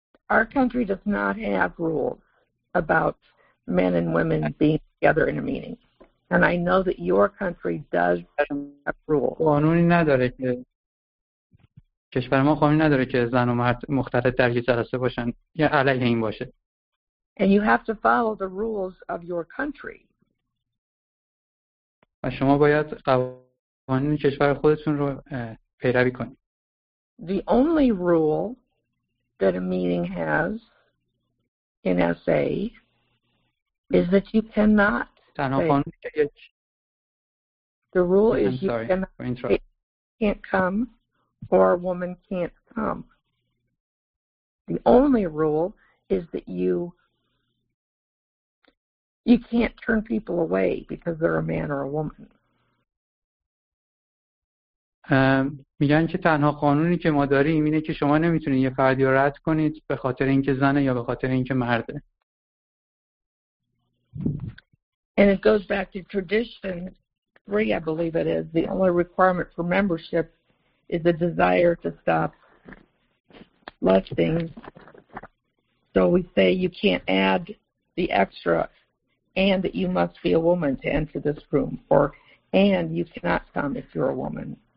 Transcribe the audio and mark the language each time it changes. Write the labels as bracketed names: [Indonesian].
[English] Our country does not have rules about men and women being together in a meeting. And I know that your country does have rules. [Persian] قانونی نداره که کشور ما قانونی نداره که زن و مرد مختلط در یک جلسه باشن یا علیه این باشه. [English] And you have to follow the rules of your country. [Persian] و شما باید قوانین کشور خودتون رو پیروی کنید. [English] The only rule that a meeting has in SA is that you cannot say. The rule is you can't come or a woman can't come. The only rule is that you can't turn people away because they're a man or a woman. [Persian] میگن که تنها قانونی که ما داریم اینه که شما نمیتونید یه فردی رو رد کنید به خاطر اینکه زنه یا به خاطر اینکه مرده. [English] And it goes back to tradition 3, I believe it is. The only requirement for membership is the desire to stop lusting. So we say you can't add the extra and that you must be a woman to enter this room, or and you cannot come if you're a woman.